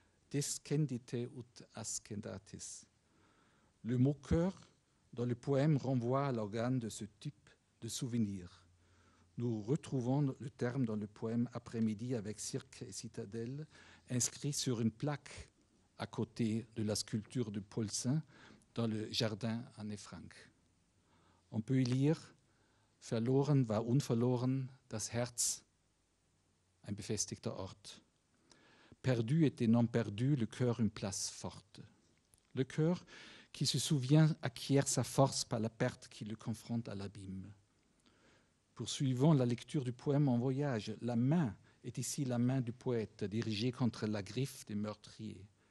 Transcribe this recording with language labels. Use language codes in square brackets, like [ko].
[la] Descendite ut ascendatis. [fr] Le mot cœur dans le poème renvoie à l'organe de ce type de souvenir. Nous retrouvons le terme dans le poème Après-midi avec cirque et citadelle, inscrit sur une plaque à côté de la sculpture de Paul Saint dans le jardin Anne Frank. On peut y lire [de] Verloren war unverloren, das Herz, ein befestigter Ort. [fr] Perdu était non perdu, le cœur une place forte. Le cœur qui se souvient acquiert sa force par la perte qui le confronte à l'abîme. Poursuivons la lecture du poème En voyage. La main est ici la main du poète dirigée contre la griffe des meurtriers.